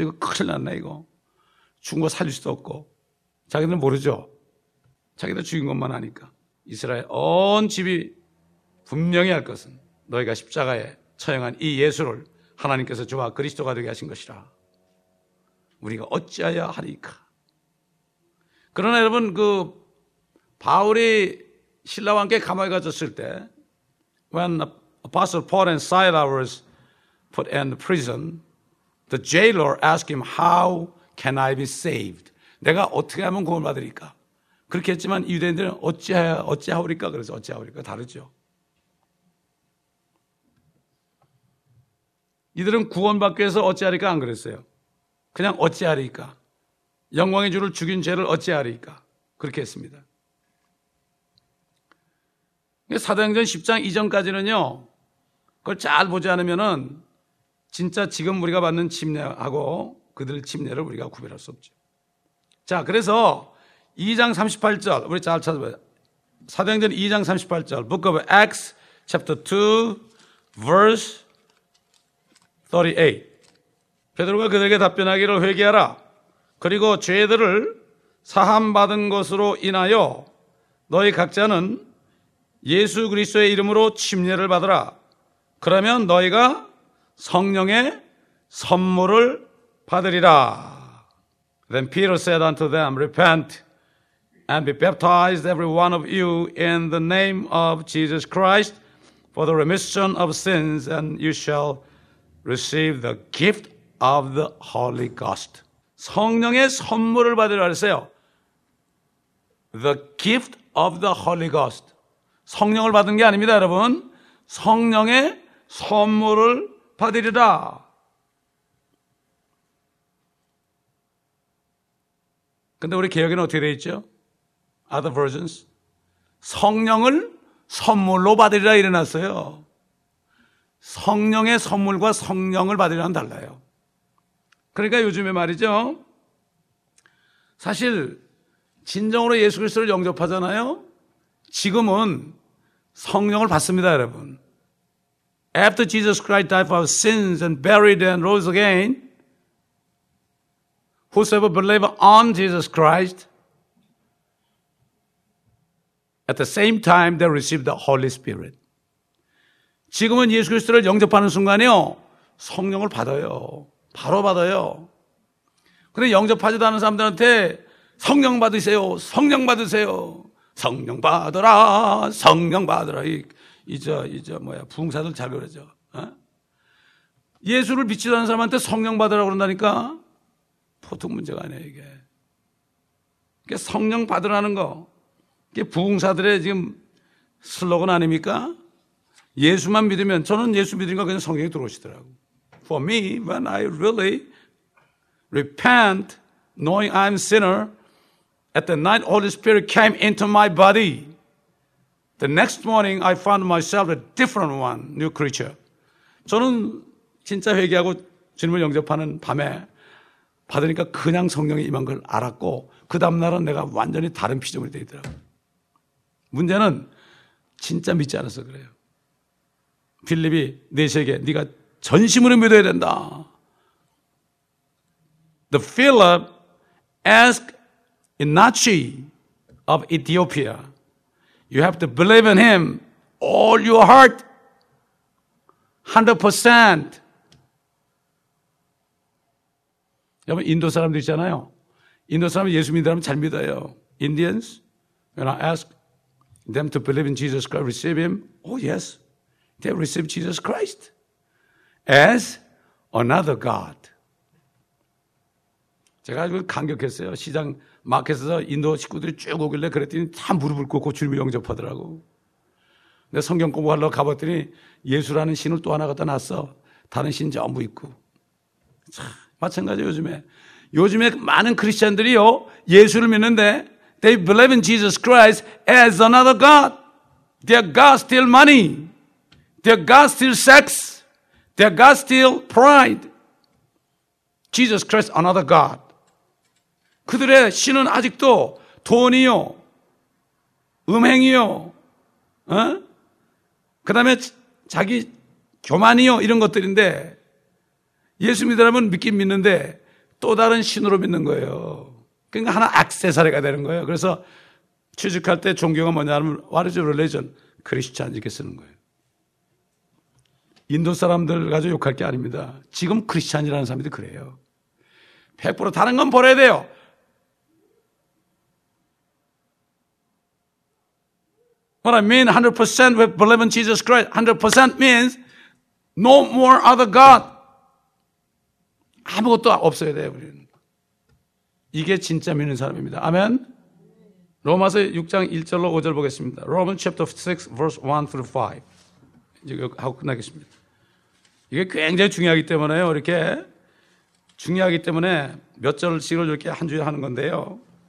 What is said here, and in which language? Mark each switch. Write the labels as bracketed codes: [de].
[ko] 이거 큰일 났네 이거. 죽은 거 살릴 수도 없고 자기들은 모르죠. 자기들 죽인 것만 아니까 이스라엘 온 집이 분명히 할 것은 너희가 십자가에 처형한 이 예수를 하나님께서 주와 그리스도가 되게 하신 것이라. 우리가 어찌하여 하리까. 그러나 여러분 그 바울이 신라와 함께 감옥에 갇혔을 때 [en] when Apostle Paul and Silas was put in the prison, the jailer asked him how can I be saved? [ko] 내가 어떻게 하면 구원을 받을까? 그렇게 했지만 유대인들은 어찌하오리까? 그래서 어찌하오리까? 다르죠. 이들은 구원받기 위해서 어찌하리까? 안 그랬어요. 그냥 어찌하리까? 영광의 주를 죽인 죄를 어찌하리까? 그렇게 했습니다. 사도행전 10장 이전까지는요, 그걸 잘 보지 않으면은 진짜 지금 우리가 받는 침례하고 그들 침례를 우리가 구별할 수 없죠. 자, 그래서 2장 38절 우리 잘 찾아봐요. 사도행전 2장 38절 [en] Book of Acts chapter 2 verse 38. [ko] 베드로가 그들에게 답변하기를 회개하라. 그리고 죄들을 사함 받은 것으로 인하여 너희 각자는 예수 그리스도의 이름으로 침례를 받으라. 그러면 너희가 성령의 선물을 받으리라. [en] Then Peter said unto them, Repent and be baptized every one of you in the name of Jesus Christ for the remission of sins and you shall receive the gift of the Holy Ghost. [ko] 성령의 선물을 받으라 그랬어요. [en] The gift of the Holy Ghost. [ko] 성령을 받은 게 아닙니다, 여러분. 성령의 선물을 받으리라. 근데 우리 개역에는 어떻게 되어 있죠? [en] Other versions. [ko] 성령을 선물로 받으리라 일어났어요. 성령의 선물과 성령을 받으리라는 달라요. 그러니까 요즘에 말이죠. 사실 진정으로 예수 그리스도를 영접하잖아요. 지금은 성령을 받습니다, 여러분. [en] After Jesus Christ died for our sins and buried and rose again, whosoever believes on Jesus Christ, at the same time they receive the Holy Spirit. [ko] 지금은 예수 그리스도를 영접하는 순간이요, 성령을 받아요. 바로 받아요. 그런데 영접하지도 않은 사람들한테 성령 받으세요, 성령 받으세요, 성령 받으라, 성령 받으라. 이제 뭐야 부흥사들 잘 그러죠. 예수를 믿지도 않은 사람한테 성령 받으라고 그런다니까 보통 문제가 아니에요 이게. 그러니까 성령 받으라는 거 이게 부흥사들의 지금 슬로건 아닙니까? 예수만 믿으면 저는 예수 믿으니까 그냥 성령이 들어오시더라고. [en] For me, when I really repent, knowing I'm a sinner, at the night Holy Spirit came into my body. The next morning, I found myself a different one, new creature. [ko] 저는 진짜 회개하고 주님을 영접하는 밤에 받으니까 그냥 성령이 임한 걸 알았고 그 다음날은 내가 완전히 다른 피조물이 되더라고요. 문제는 진짜 믿지 않아서 그래요. 빌립이 내세계 네가 전심으로 믿어야 된다. [en] The Philip asked Inachi of Ethiopia, You have to believe in him all your heart, 100%. [ko] 여러분, 인도 사람들 있잖아요. 인도 사람은 예수 믿으라면 잘 믿어요. [en] Indians, when I ask them to believe in Jesus Christ, receive him, oh yes, they receive Jesus Christ as another God. [ko] 제가 아주 감격했어요. 시장 마켓에서 인도 식구들이 쭉 오길래 그랬더니 다 무릎을 꿇고 주님을 영접하더라고. 내 성경 공부하러 가봤더니 예수라는 신을 또 하나 갖다 놨어. 다른 신 전부 있고. 참, 마찬가지 요즘에. 요즘에 많은 크리스천들이요, 예수를 믿는데, [en] they believe in Jesus Christ as another God. Their God steal money. Their God steal sex. Their God steal pride. Jesus Christ another God. [ko] 그들의 신은 아직도 돈이요, 음행이요, 어? 그 다음에 자기 교만이요, 이런 것들인데, 예수 믿으라면 믿긴 믿는데, 또 다른 신으로 믿는 거예요. 그러니까 하나 액세서리가 되는 거예요. 그래서 취직할 때 종교가 뭐냐 하면 [en] What is your religion? [ko] 크리스찬 이렇게 쓰는 거예요. 인도 사람들 가지고 욕할 게 아닙니다. 지금 크리스찬이라는 사람들이 그래요. 100% 다른 건 버려야 돼요. [en] What I mean 100% with believe in Jesus Christ 100% means no more other God. [ko] 아무것도 없어야 돼요, 우리는. 이게 진짜 믿는 사람입니다. 아멘. 로마서 6장 1절로 5절 보겠습니다. [en] Romans chapter 6, verse 1 through 5. [ko] 이제 하고 끝나겠습니다. 이게 굉장히 중요하기 때문에요. 이렇게 중요하기 때문에 몇 절씩을 이렇게 한 주에 하는 건데요.